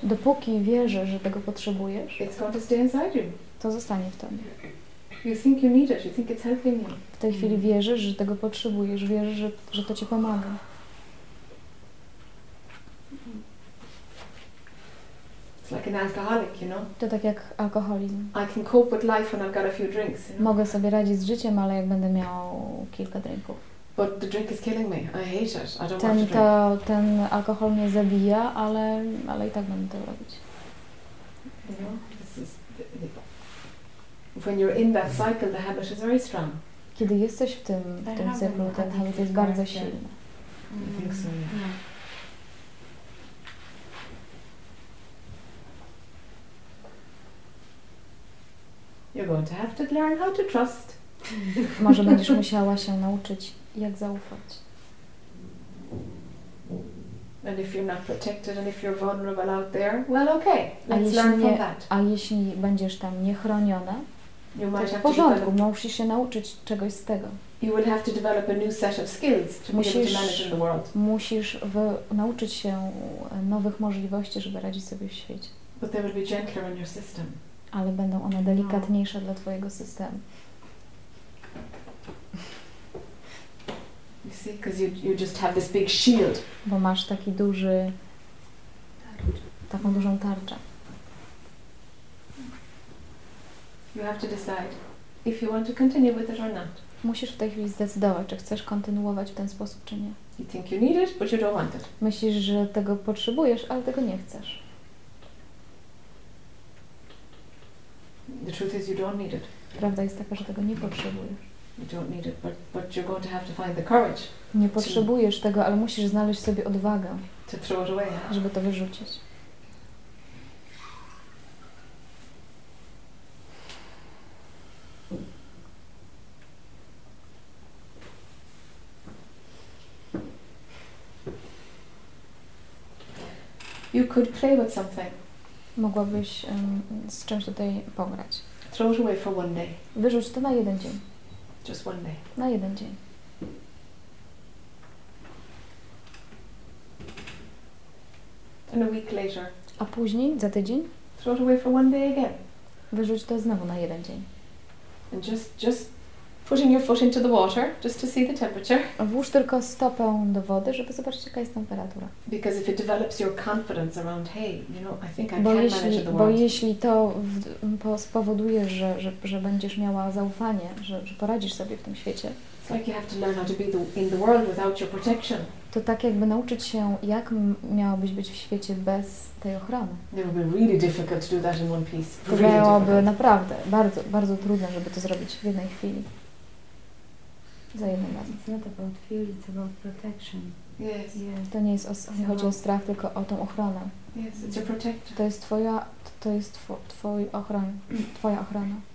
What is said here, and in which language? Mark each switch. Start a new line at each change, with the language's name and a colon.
Polish: dopóki wierzę, że tego potrzebujesz,
English: it's going to stay inside you.
Polish: To zostanie w tobie.
English: You think you need it, you think it's helping you.
Polish: W tej chwili wierzysz, że tego potrzebujesz, wierzysz, że to ci pomaga.
English: It's like an alcoholic, you know?
Polish: To tak jak alkoholizm.
English: I can cope with life when I've got a few drinks, you know?
Polish: Mogę sobie radzić z życiem, ale jak będę miał kilka drinków.
English: But the drink is killing me. I hate it. I don't want to drink.
Polish: Ten alkohol mnie zabija, ale i tak będę to robić.
English: You know, this is when you're in that cycle, the habit is very strong.
Polish: Kiedy jesteś w tym cyklu, ten habit jest bardzo silny.
English: I think so, yeah. You're going to have to learn how to trust.
Polish: Może będziesz musiała się nauczyć, jak zaufać.
English: And if you're not protected and if you're vulnerable out there, well, okay, let's learn from that.
Polish: A jeśli będziesz tam niechroniona, w porządku, musisz się nauczyć czegoś z tego.
English: You will have to develop a new set of skills to manage in the world.
Polish: Musisz nauczyć się nowych możliwości, żeby radzić sobie w świecie.
English: But they will be gentler on your system.
Polish: Ale będą one delikatniejsze dla twojego systemu.
English: You see, because you just have this big shield.
Polish: Bo masz taki duży, taką dużą tarczę.
English: You have to decide if you want to continue with it or not.
Polish: Musisz w tej chwili zdecydować, czy chcesz kontynuować w ten sposób, czy nie.
English: You think you need it, but you don't want it.
Polish: Myślisz, że tego potrzebujesz, ale tego nie chcesz.
English: The truth is, you don't need it.
Polish: Prawda jest taka, że tego nie potrzebujesz.
English: You don't need it, but you're going to have to find the courage.
Polish: Nie potrzebujesz tego, ale musisz znaleźć sobie odwagę,
English: to throw it away,
Polish: żeby to wyrzucić.
English: You could play with something.
Polish: Mogłabyś z czymś tutaj pograć.
English: Throw it away for one day.
Polish: Wyrzuć to na jeden dzień.
English: Just one day.
Polish: Na jeden dzień.
English: And a week later.
Polish: A później, za tydzień?
English: Throw it away for one day again.
Polish: Wyrzuć to znowu na jeden dzień.
English: And just putting your foot into the water, just to see the temperature.
Polish: Włóż tylko stopę do wody, żeby zobaczyć, jaka jest temperatura.
English: Because if it develops your confidence around, hey, you know, I think I
Polish: bo
English: can
Polish: jeśli,
English: manage the world.
Polish: Bo jeśli to spowoduje, że będziesz miała zaufanie, że poradzisz sobie w tym świecie.
English: It's like you have to learn how to be in the world without your protection.
Polish: To tak jakby nauczyć się, jak miałabyś być w świecie bez tej ochrony.
English: It would be really difficult to do that in one piece.
Polish: To byłoby naprawdę bardzo, bardzo trudne, żeby to zrobić w jednej chwili. Za jednym razem.
English: It's not about fear, it's about protection. Yes. Yes.
Polish: To nie jest chodzi o strach, tylko o tą ochronę.
English: Yes, it's your protector.
Polish: To jest twoja, to jest twój ochron, twoja ochrona.